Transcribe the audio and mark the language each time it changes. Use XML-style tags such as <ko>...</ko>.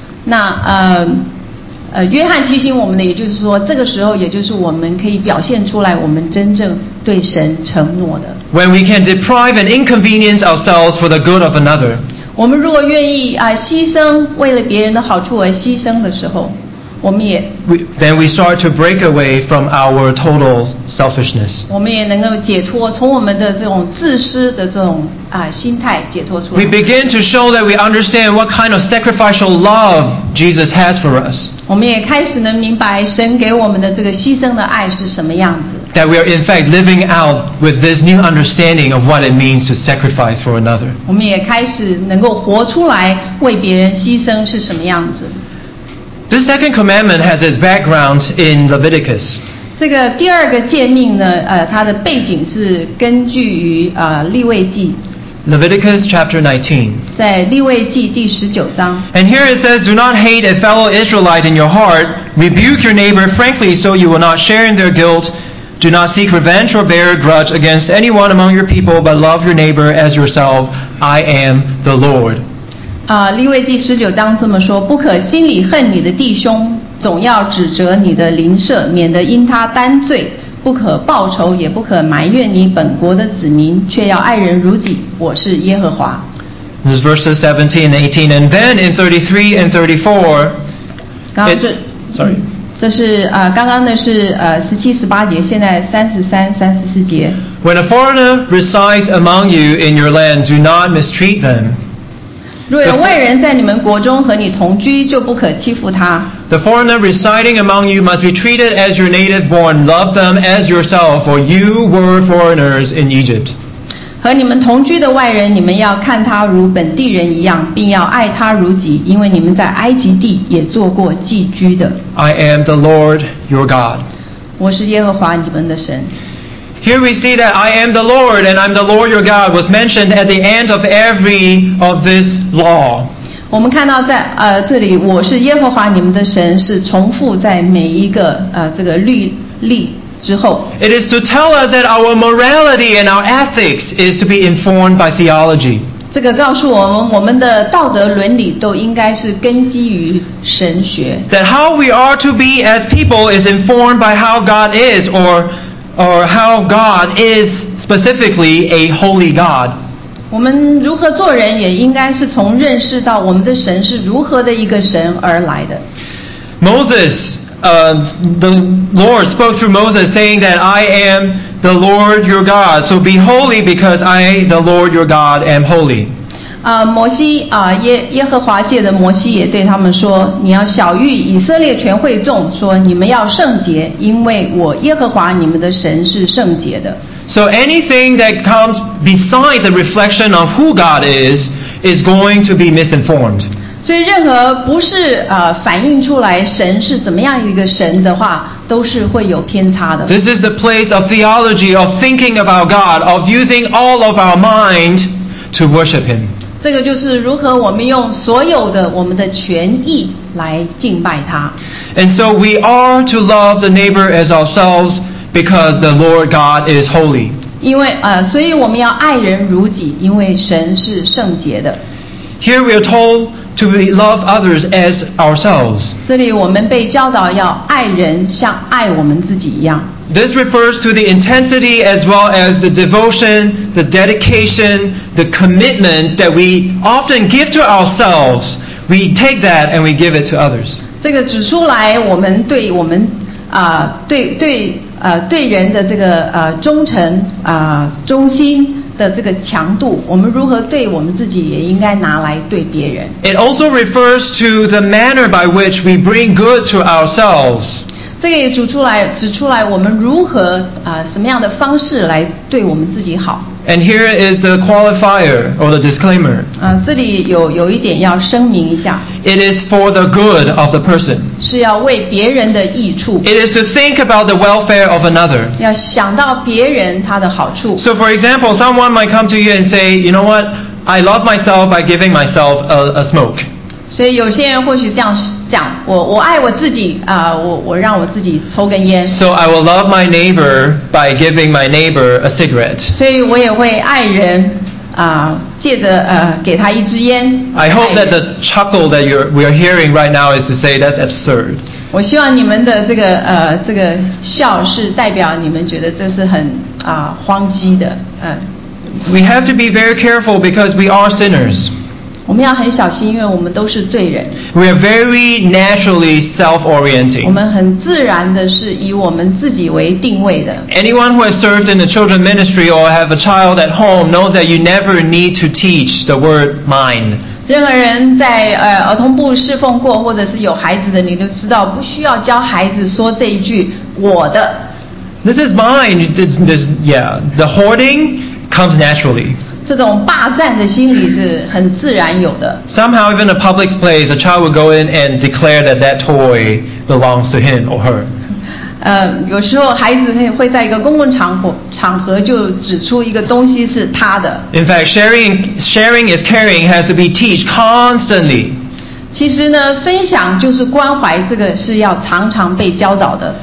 <zh>那约翰提醒我们的，也就是说，这个时候，也就是我们可以表现出来我们真正对神承诺的。</zh> <en>When we can deprive and inconvenience ourselves for the good of another,</en> <zh>我们如果愿意牺牲为了别人的好处而牺牲的时候，我们也</zh> <en>then we start to break away from our total selfishness.</en> <zh>我们也能够解脱从我们的这种自私的这种心态解脱出来。</zh> <en>We begin to show that we understand what kind of sacrificial love Jesus has for us.</en> <zh>我们也开始能明白神给我们的这个牺牲的爱是什么样子。</zh> <en>That we are in fact living out with this new understanding of what it means to sacrifice for another.</en> <zh>我们也开始能够活出来为别人牺牲是什么样子。</zh> <en>The second commandment has its background in Leviticus.</en> <zh>这个第二个诫命呢，它的背景是根据于利未记。</zh> <en>Leviticus chapter 19.</en> <zh>在利未记第十九章。</zh> <en>And here it says, "Do not hate a fellow Israelite in your heart. Rebuke your neighbor frankly, so you will not share in their guilt. Do not seek revenge or bear a grudge against anyone among your people, but love your neighbor as yourself. I am the Lord."</en> <zh>利未记十九章这么说，不可心里恨你的弟兄，总要指责你的邻舍，免得因他担罪，不可报仇，也不可埋怨你本国的子民，却要爱人如己，我是耶和华。</zh> <en>This is verses 17 and 18, and then in 33 and 34,</en> <zh>这是刚刚的是17 18节，现在33 34节。</zh> <en>When a foreigner resides among you in your land, do not mistreat them.</en> <zh>若有外人在你们国中和你同居，就不可欺负他。</zh> <en>The foreigner residing among you must be treated as your native born. Love them as yourself, for you were foreigners in Egypt.</en> <zh>和你们同居的外人，你们要看他如本地人一样，并要爱他如己，因为你们在埃及地也做过寄居的。</zh> <en>I am the Lord your God.</en> <zh>我是耶和华你们的神。</zh> <en>Here we see that I am the Lord and I'm the Lord your God was mentioned at the end of every of this law.</en> <zh>我们看到在这里我是耶和华你们的神是重复在每一个这个律例之后。</zh> <en>It is to tell us that our morality and our ethics is to be informed by theology.</en> <zh>这个告诉我们我们的道德伦理都应该是根基于神学。</zh> <en>That how we are to be as people is informed by how God is or how God is specifically a holy God.</en> <zh>我们如何做人也应该是从认识到我们的神是如何的一个神而来的。</zh> <en>Moses, the Lord spoke through Moses saying that I am the Lord your God, so be holy because I, the Lord your God, am holy.</en> <zh>摩西耶和华借着摩西也对他们说，你要晓谕以色列全会众，说你们要圣洁，因为我耶和华你们的神是圣洁的。</zh> <en>So anything that comes besides a reflection of who God is going to be misinformed.</en> <zh>所以任何不是反映出来神是怎么样一个神的话，都是会有偏差的。</zh> <en>This is the place of theology, of thinking about God, of using all of our mind to worship Him.</en> <zh>这个就是如何我们用所有的我们的全意来敬拜他。</zh> <en>And so we are to love the neighbor as ourselves because the Lord God is holy.</en> <zh>因为所以我们要爱人如己，因为神是圣洁的。</zh> <en>Here we are told. To love others as ourselves.</en> <zh>这里我们被教导要爱人像爱我们自己一样。</zh> <en>This refers to the intensity as well as the devotion, the dedication, the commitment that we often give to ourselves. We take that and we give it to others.</en> <zh>这个指出来我们对我们对人的这个忠诚忠心。的这个强度，我们如何对我们自己也应该拿来对别人。</zh> <en>It also refers to the manner by which we bring good to ourselves.</en> <zh>这个也指出来我们如何什么样的方式来对我们自己好。</zh> <en>And here is the qualifier or the disclaimer.</en> <zh>这里有一点要声明一下。</zh> <en>It is for the good of the person.</en> <zh>是要为别人的益处。</zh> <en>It is to think about the welfare of another.</en> <zh>要想到别人他的好处。</zh> <en>So for example, someone might come to you and say, you know what? I love myself by giving myself a smoke.</en> <zh>所以有些人或许这样讲，我爱我自己我让我自己抽根烟。</zh> <en>So I will love my neighbor by giving my neighbor a cigarette.</en> <zh>所以我也会爱人借着给他一支烟。</zh> <en>I hope that the chuckle that we are hearing right now is to say that's absurd.</en> <zh>我希望你们的这个笑是代表你们觉得这是很荒唐的。</zh> <en>We have to be very careful because we are sinners.</en> <zh>我们要很小心，因为我们都是罪人。</zh> <en>We are very naturally self-orienting.</en> <zh>我们很自然的是以我们自己为定位的。</zh> <en>Anyone who has served in the children ministry or have a child at home knows that you never need to teach the word mine.</en> <zh>任何人在儿童部侍奉过，或者是有孩子的，你都知道不需要教孩子说这一句我的。</zh> <en>This is mine. This yeah. The hoarding comes naturally.</en> <zh>这种霸占的心理是很自然有的。</zh> <en>Somehow, even in a public place, a child would go in and declare that that toy belongs to him or her.</en> <zh>有时候孩子会在一个公共场合就指出一个东西是他的。</zh> <en>In fact, sharing is caring has to be taught constantly.</en> <zh>其实呢，分享就是关怀，这个是要常常被教导的。</zh>